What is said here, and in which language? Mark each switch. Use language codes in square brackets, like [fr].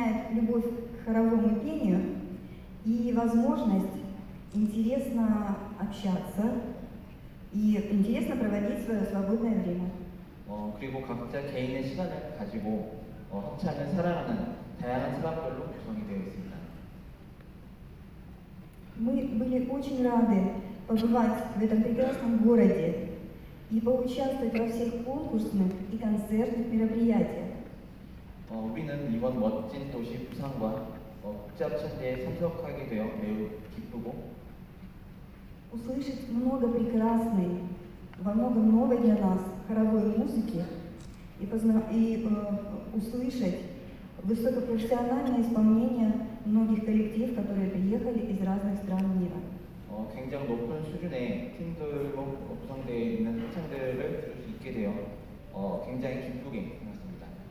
[ru] любовь к хоровому пению и возможность интересно общаться и интересно проводить свое свободное время. [ko] 그리고 각자 개인의 시간을 가지고 합창을 사랑하는 다양한 사람들로 구성이 되어 있습니다. [ru] Мы были очень рады побывать в этом прекрасном городе и поучаствовать во всех конкурсных и концертных мероприятиях. [ko] 우리는 이번 멋진 도시 부산과 합창대회에 참석하게 되어 매우 기쁘고 [ru] услышать много прекрасной, во многом новой для нас хоровой музыки и услышать высокопрофессиональное исполнение многих коллективов, которые приехали из разных стран мира. [ko] 굉장히 높은 수준의 팀들로 구성되어 있는 합창대회를 들을 수 있게 되어 굉장히 기쁘게 생각합니다.